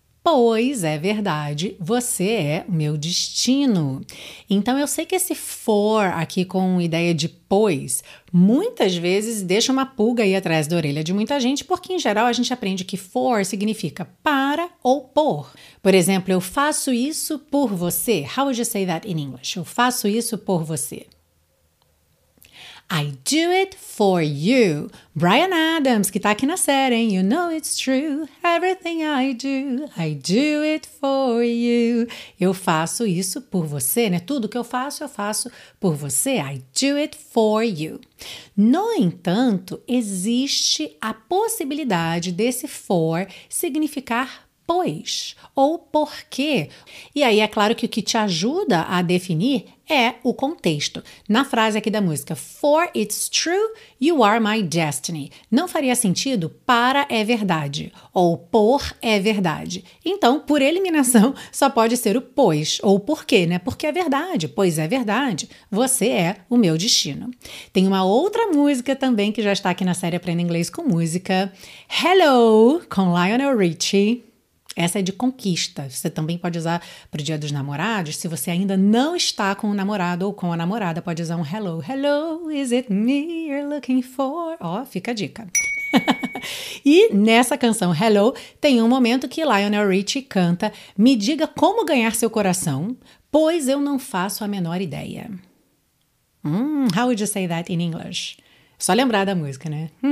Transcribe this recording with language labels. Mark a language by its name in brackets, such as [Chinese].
[Portuguese] Pois é verdade, você é o meu destino. Então eu sei que esse for aqui com ideia de pois, muitas vezes deixa uma pulga aí atrás da orelha de muita gente, porque em geral a gente aprende que for significa para ou por. Por exemplo, eu faço isso por você. [English] How would you say that in English? [Portuguese] Eu faço isso por você. [English] I do it for you. [Portuguese] Brian Adams, que tá aqui na série, hein? [English] You know it's true. Everything I do it for you. [Portuguese] Eu faço isso por você, né? Tudo que eu faço por você. [English] I do it for you. [Portuguese] No entanto, existe a possibilidade desse for significar pois ou porquê. E aí é claro que o que te ajuda a definir é o contexto. Na frase aqui da música, [English] For it's true, you are my destiny. [Portuguese] Não faria sentido para é verdade ou por é verdade. Então, por eliminação, só pode ser o pois ou porquê, né? Porque é verdade, pois é verdade. Você é o meu destino. Tem uma outra música também que já está aqui na série Aprenda Inglês com Música. Hello, com Lionel Richie. Essa é de conquista. Você também pode usar para o Dia dos Namorados. Se você ainda não está com o namorado ou com a namorada, pode usar um hello. [English] Hello, is it me you're looking for? [Portuguese] Ó, fica a dica. E nessa canção Hello, tem um momento que Lionel Richie canta Me diga como ganhar seu coração, pois eu não faço a menor ideia. [English] How would you say that in English? [Portuguese] Só lembrar da música, né?